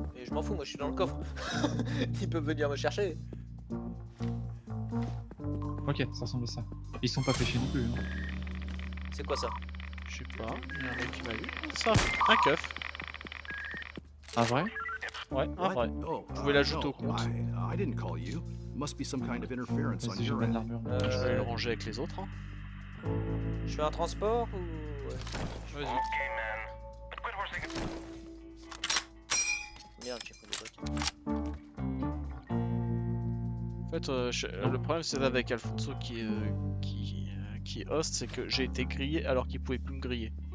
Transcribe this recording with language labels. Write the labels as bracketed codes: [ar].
[fr] Mais je m'en fous, moi je suis dans le coffre. Ils peuvent venir me chercher. Ok, ça ressemble à ça. Ils sont pas pêchés non plus. Hein. C'est quoi ça ? Je sais pas, il y a un mec qui m'a vu. Ça, un keuf. Un vrai ? Ouais, un vrai. Je voulais l'ajouter au compte. [en] I didn't call you. Must be some kind of interference on your end. [fr] Je vais le ranger avec les autres. Hein. Je fais un transport ou... Ouais. Vas-y. [en] Okay, man. But quit worse, [fr] merde, j'ai pris des bottes. En fait, le problème c'est avec Alfonso qui est host, c'est que j'ai été grillé alors qu'il pouvait plus me griller.